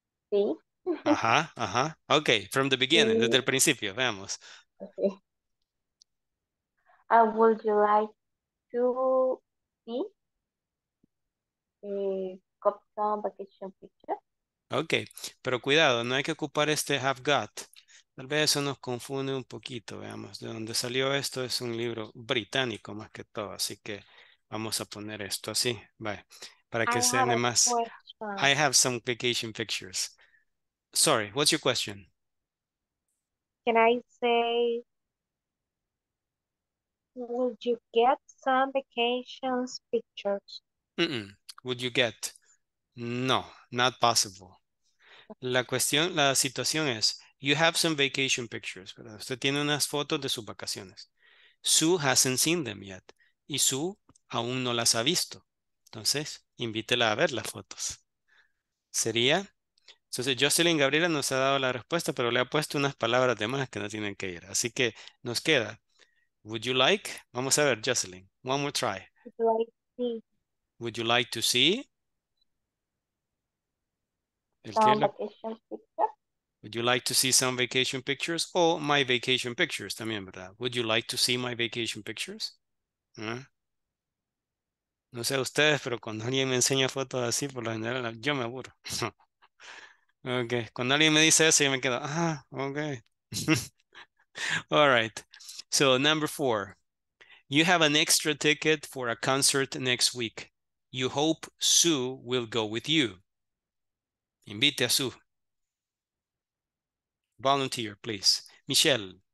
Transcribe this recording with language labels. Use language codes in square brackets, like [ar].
[es] Sí. Ajá, ajá. [en] Okay, from the beginning, [es] sí. Desde el principio, veamos. Okay. [en] Would you like to see a custom vacation picture? [es] Okay, pero cuidado, no hay que ocupar este have got. Tal vez eso nos confunde un poquito, veamos. De dónde salió esto es un libro británico más que todo, así que vamos a poner esto así, vale. Para que se vea más. [en] I have some vacation pictures. Sorry, what's your question? Can I say, would you get some vacation pictures? Mm-mm. Would you get? No, not possible. [es] La cuestión, la situación es, [en] you have some vacation pictures, [es] ¿verdad? Usted tiene unas fotos de sus vacaciones. [en] Sue hasn't seen them yet. [es] Y Sue aún no las ha visto. Entonces, invítela a ver las fotos. Sería, entonces Jocelyn Gabriela nos ha dado la respuesta, pero le ha puesto unas palabras de más que no tienen que ir. Así que nos queda, [en] would you like, [es] vamos a ver Jocelyn, [en] one more try. Would you like to see? Would you like to see some vacation pictures or my vacation pictures [es] también, ¿verdad? [en] Would you like to see my vacation pictures? [es] No sé ustedes, pero cuando alguien me enseña fotos así, por lo general, yo me aburro. Okay, cuando alguien me dice eso, yo me quedo, okay. [en] All right, so number four. You have an extra ticket for a concert next week. You hope Sue will go with you. Invite a Sue. Volunteer, please. Michelle.